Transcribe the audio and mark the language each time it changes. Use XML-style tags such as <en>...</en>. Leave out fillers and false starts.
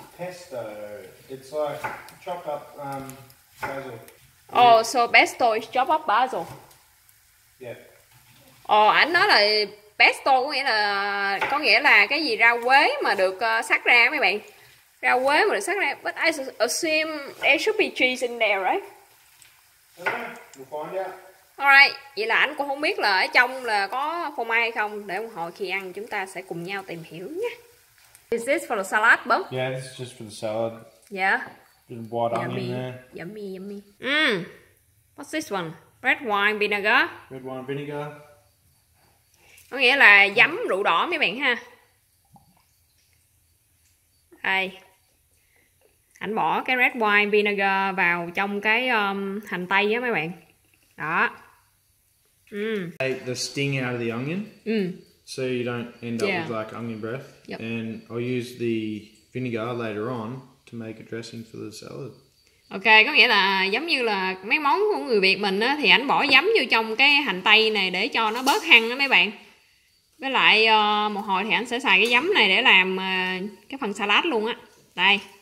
<en>Pesto. It's like chopped up basil. Oh, so pesto is chopped up basil. Yeah.</en> <vi>Oh, anh nói là pesto có nghĩa là cái gì rau quế mà được sắc ra mấy bạn. Rau quế mà được sắc ra.</vi> <en>But I assume there should be cheese in there, right? We'll find out.</en> <vi>Alright, vậy là anh cũng không biết là ở trong là có phô mai hay không. Để một hồi khi ăn chúng ta sẽ cùng nhau tìm hiểu nhé.</vi> <en>Is this for the salad, bấm? Yeah, this is just for the salad. Yeah. Little white yummy. Onion there. Yummy, yummy. What's this one? Red wine vinegar. Red wine vinegar.</en> <vi>Có nghĩa là giấm rượu đỏ mấy bạn ha. Đây. Anh bỏ cái</vi> <en>red wine vinegar</en> <vi>vào trong cái hành tây á mấy bạn. Đó.</vi> <en>Take the sting out of the onion. So you don't end up yeah. with like onion breath. Yep. And I'll use the vinegar later on to make a dressing for the salad.</en> <vi>Ok, có nghĩa là giống như là mấy món của người Việt mình á, thì anh bỏ giấm vô trong cái hành tây này để cho nó bớt hăng á mấy bạn. Với lại một hồi thì anh sẽ xài cái giấm này để làm cái phần salad luôn á. Đây.</vi>